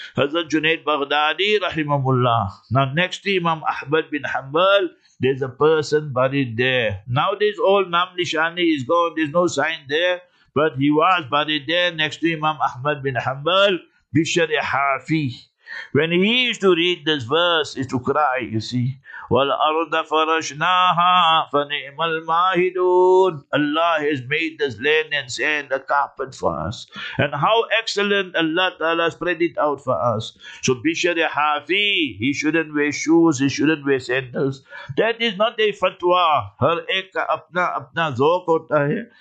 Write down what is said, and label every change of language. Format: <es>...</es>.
<en>Hazrat Junaid Baghdadi, rahimahullah. Now next to Imam Ahmad bin Hanbal, there's a person buried there. Nowadays all Nam Nishani is gone, there's no sign there. But he was buried there next to Imam Ahmad bin Hanbal, Bishr-e-Hafi. When he used to read this verse, he used to cry, you see.</en> <ar>والأرض فرشناها فنعم الماهدون.</ar> <en>Allah has made this land and sand a carpet for us. And how excellent Allah Ta'ala spread it out for us. So Bishr Hafi, he shouldn't wear shoes, he shouldn't wear sandals. That is not a fatwa.</en> <ur>Her ek apna apna zok hota hai.</ur>